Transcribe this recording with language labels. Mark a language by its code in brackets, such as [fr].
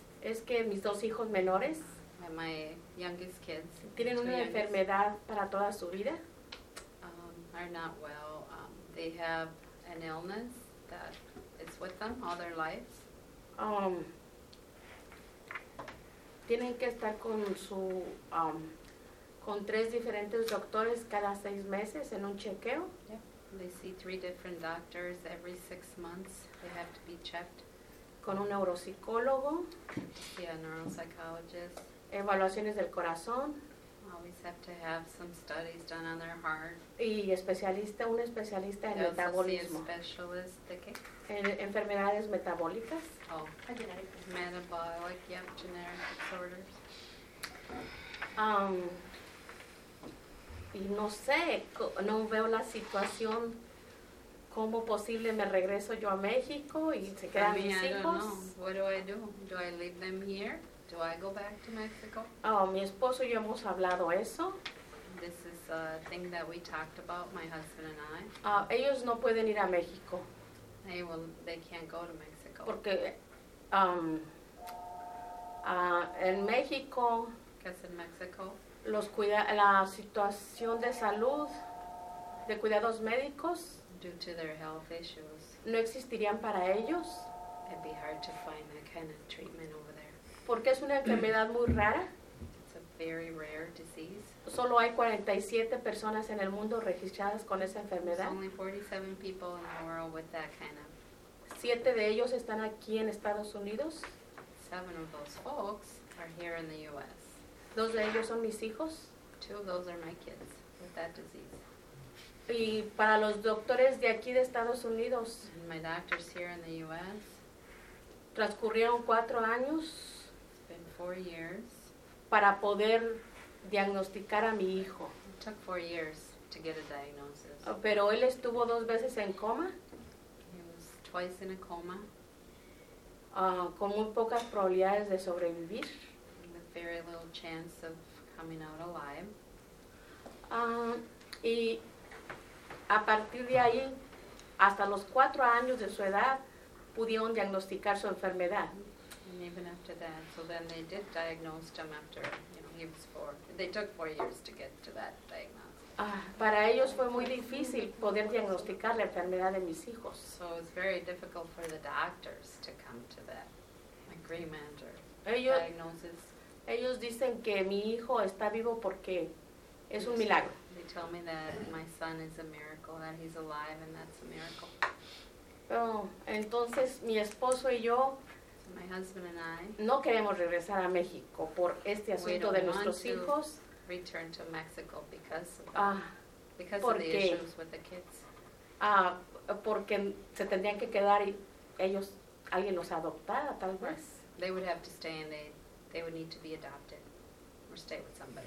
[es] es que mis dos hijos menores, [en] and my youngest kids, [es] tienen una enfermedad para toda su vida. [en] Are not well. They have an illness that is with them all their lives. [es] Tienen que estar con su con tres diferentes doctores cada seis meses en un chequeo. [en] Yeah. They see three different doctors every six months. They have to be checked. [es] Con un neuropsicólogo. [en] Yeah, neuropsychologist. [es] Evaluaciones del corazón. [en] Always have to have some studies done on their heart. [es] Y especialista, un especialista en metabolismo. [en] They also see a specialist, [es] ¿de qué? En enfermedades metabólicas. [en] Oh, metabolic, yeah, generic disorders. [es] Y no sé, no veo la situación, cómo posible me regreso yo a México y se quedan mis hijos. [en] I don't know. What do I do? Do I leave them here? Do I go back to Mexico? [es] Oh, mi esposo y yo hemos hablado eso. [en] This is a thing that we talked about, my husband and I. [es] Ellos no pueden ir a México. [en] They can't go to Mexico. [es] Porque en México... [en] Because in Mexico... [es] La situación de salud, de cuidados médicos, [en] due to their health issues, [es] no existirían para ellos. [en] It'd be hard to find that kind of treatment over there. [es] Porque es una enfermedad muy rara. [en] It's a very rare disease. [es] Solo hay 47 personas en el mundo registradas con esa enfermedad. [en] There's only 47 people in the world with that kind of. [es] Siete de ellos están aquí en Estados Unidos. [en] Seven of those folks are here in the U.S. [es] Dos de ellos son mis hijos. [en] Two of those are my kids with that disease. [es] Y para los doctores de aquí de Estados Unidos. [en] And my doctors here in the U.S. [es] Transcurrieron cuatro años. [en] It's been 4 years. [es] Para poder diagnosticar a mi hijo. [en] It took 4 years to get a diagnosis. [es] Pero él estuvo dos veces en coma. [en] He was twice in a coma. [es] Con muy pocas probabilidades de sobrevivir. [en] Very little chance of coming out alive. [es] Y a partir de ahí, hasta los cuatro años de su edad, pudieron diagnosticar su enfermedad. [en] And even after that, so then they did diagnose him after, he was four. They took 4 years to get to that diagnosis. [es] Para ellos fue muy difícil poder diagnosticar la enfermedad de mis hijos. [en] So it was very difficult for the doctors to come to that agreement or [es] ellos, [en] diagnosis. [es] Ellos dicen que mi hijo está vivo porque es un milagro. [en] They tell me that my son is a miracle, that he's alive and that's a miracle. [es] Oh, entonces mi esposo y yo [en] my husband and I, [es] no queremos regresar a México por este asunto de nuestros hijos. [en] We don't want to return to Mexico because of the issues with the kids. [es] Porque se tendrían que quedar y ellos, alguien los adoptara tal vez. [en] They would have to stay and they would need to be adopted or stay with somebody.